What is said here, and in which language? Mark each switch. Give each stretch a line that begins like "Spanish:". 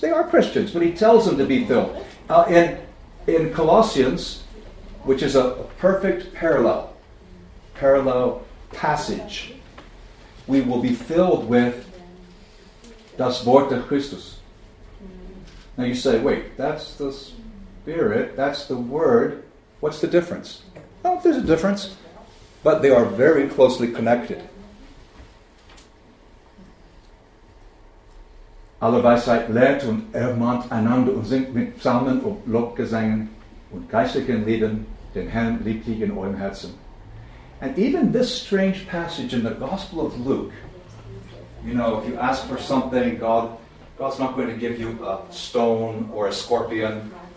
English: They are Christians, but he tells them to be filled. In Colossians, which is a perfect parallel passage, we will be filled with
German: das Wort des Christus.
English: Now you say, wait, that's the Spirit, that's the Word, what's the difference? Well, there's a difference, but they are very closely connected.
German: Alle Weisheit lehrt und ermahnt einander und singt mit Psalmen und Lobgesängen und geistlichen Liedern den Herrn lieblich in eurem Herzen.
English: And even this strange passage in the Gospel of Luke, you know, if you ask for something, God's not going to give you a stone or a scorpion.